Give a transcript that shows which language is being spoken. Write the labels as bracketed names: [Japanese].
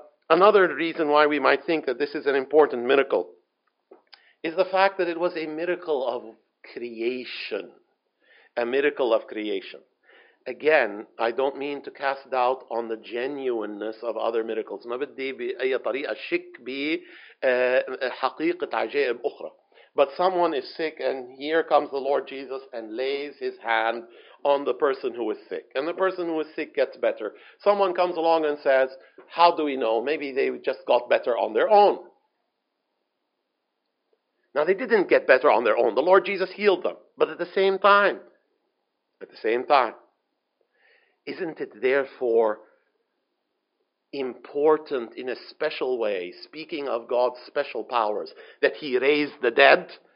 [English] Another reason why we might think that this is an important miracle is the fact that it was a miracle of creation. A miracle of creation. Again, I don't mean to cast doubt on the genuineness of other miracles. [Arabic] ما بدي بأي طريقة شك بحقيقة عجائب أخرى. [English] But someone is sick, and here comes the Lord Jesus and lays his hand on the person who is sick. And the person who is sick gets better. Someone comes along and says, how do we know? Maybe they just got better on their own. Now, they didn't get better on their own. The Lord Jesus healed them. But at the same time, isn't it therefore important in a special way, speaking of God's special powers, that he raised the dead?